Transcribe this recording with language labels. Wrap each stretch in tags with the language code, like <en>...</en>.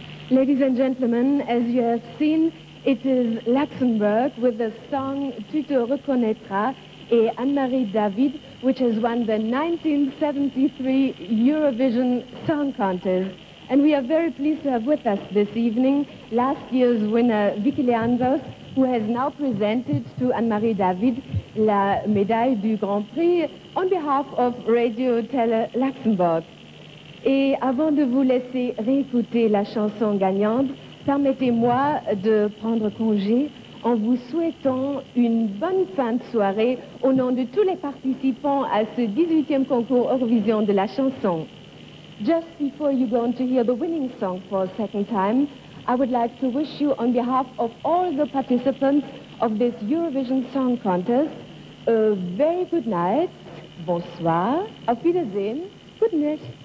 <en>Ladies and gentlemen, as you have seen, it is Luxembourg with the song Tu te reconnaîtras et Anne-Marie David, which has won the 1973 Eurovision Song Contest. And we are very pleased to have with us this evening last year's winner, Vicky Leandros, who has now presented to Anne-Marie David</en> <fr>la médaille du Grand Prix</fr> <en>on behalf of Radio Tele Luxembourg.</en> <fr>Et avant de vous laisser réécouter la chanson gagnante, permettez-moi de prendre congé en vous souhaitant une bonne fin de soirée au nom de tous les participants à ce 18e concours Eurovision de la chanson.</fr> <en>Just before you go on to hear the winning song for a second time, I would like to wish you on behalf of all the participants of this Eurovision Song Contest a very good night,</en> <fr>bonsoir,</fr> <de>auf Wiedersehen,</de> <en>good night.</en>